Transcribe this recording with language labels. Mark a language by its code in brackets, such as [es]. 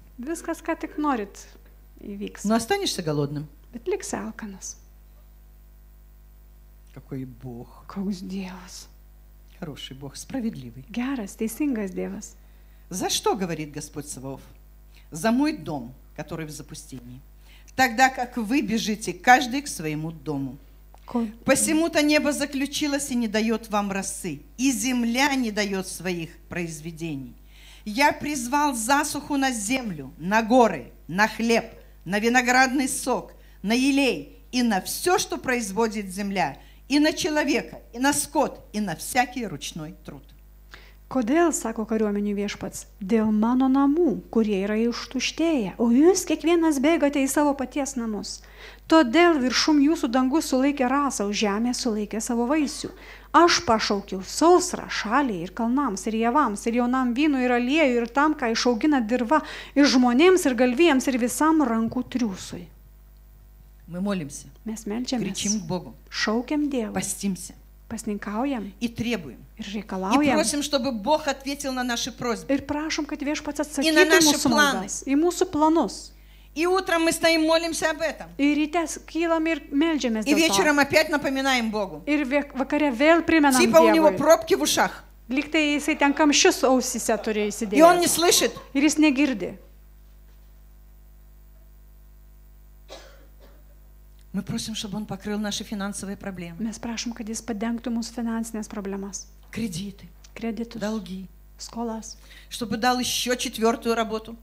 [lt] Viskas, ką tik norit, įvyks. [ru] Nu, останешься голодным. [lt] Bet liksi alkanas. [ru] Какой Бог. [lt] Koks Dievas. [ru] Хороший Бог, справедливый. [lt] Geras, teisingas Dievas. [ru] За что, говорит Господь Саваоф? За мой дом, который в запустении. Тогда как вы бежите, каждый к своему дому. Посему-то небо заключилось и не дает вам росы, и земля не дает своих произведений. Я призвал засуху на землю, на горы, на хлеб, на виноградный сок, на елей и на все, что производит земля, и на человека, и на скот, и на всякий ручной труд. [lt] Kodėl, sako kariuomenių viešpats, dėl mano namų, kurie yra ištuštėję, o jūs kiekvienas bėgate į savo paties namus. Todėl viršum jūsų dangus sulaikė rasą, o žemė sulaikė savo vaisių. Aš pašaukiu sausrą šaliai ir kalnams, ir javams, ir jaunam vynui, ir aliejui, ir tam, ką išaugina dirva, ir žmonėms, ir galvijams, ir visam rankų triūsui. [ru] Мы молимся. [lt] Mes meldžiamės. [ru] Kričim k Bogu. [lt] Šaukiam Dievą. [ru] Pastimsia. [lt] Pasninkaujam. [ru] И требуем. [lt] Ir reikalaujam. [ru] И просим, чтобы Бог ответил на наши просьбы. [lt] Ir prašom, kad viešpats atsakytų mūsų maldas. [ru] И на наши планы. [lt] И mūsų planus. [ru] И утром мы стоим молимся об этом. [lt] И ryte kylam ir meldžiamės. [ru] И вечером опять напоминаем Богу. [lt] Ir vakare vėl primenam Dievui. [ru] Типа у него пробки в ушах. [lt] Lyg tai jisai ten kamščius ausyse turi įsidėję. [ru] И он не слышит. [lt] Ir jis negirdi. [ru] Мы просим, чтобы он покрыл наши финансовые проблемы. [lt] Mes prašom, kad jis padengtų mūsų finansines problemas. [ru] Кредиты. [lt] Кредитus. [ru] Долги. [lt] Skolas. [ru] Чтобы дал еще четвертую работу.